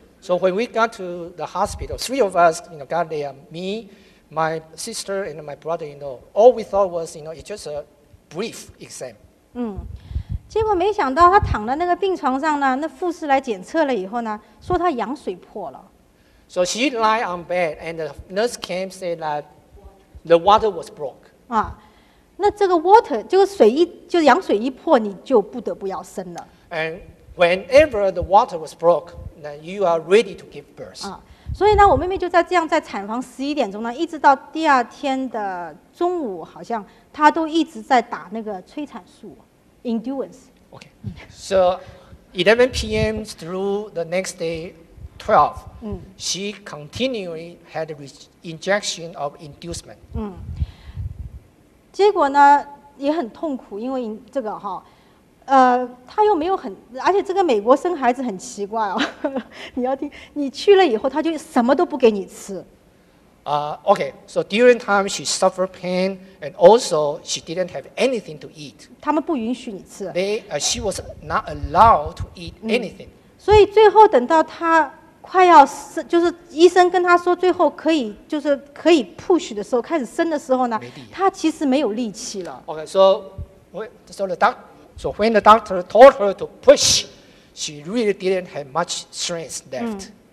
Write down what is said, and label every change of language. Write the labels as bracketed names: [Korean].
[English] So when we got to the hospital, three of us, you know, got there, me, my sister and my brother-in-law, all we thought was, you know, it's just a brief exam. [Chinese] 结果没想到他躺在那个病床上呢，那护士来检测了以后呢，说他羊水破了。 [English] So she lay on bed and the nurse came said that. The water was broke. [Chinese] 啊，那这个 water 就是水一就羊水一破，你就不得不要生了。 [English] And whenever the water was broke, then you are ready to give birth. [Chinese] 啊，所以呢，我妹妹就在这样在产房11点钟呢，一直到第二天的中午，好像她都一直在打那个催产素 ，induance. [English] Okay. So 11 p.m. through the next day. 12, she continually had an injection of inducement. [Chinese] 结果呢也很痛苦，因为这个哈，他又没有很，而且这个美国生孩子很奇怪哦。你要听，你去了以后，他就什么都不给你吃。 [English] Okay. So during time she suffered pain, and also she didn't have anything to eat. [Chinese] 他们不允许你吃。 [English] She was not allowed to eat anything. [Chinese] 所以最后等到他。快要生，就是医生跟他说最后可以，就是可以 push 的时候，开始生的时候呢，他其实没有力气了。 [English] Okay, so when the doctor told her to push, she really didn't have much strength left.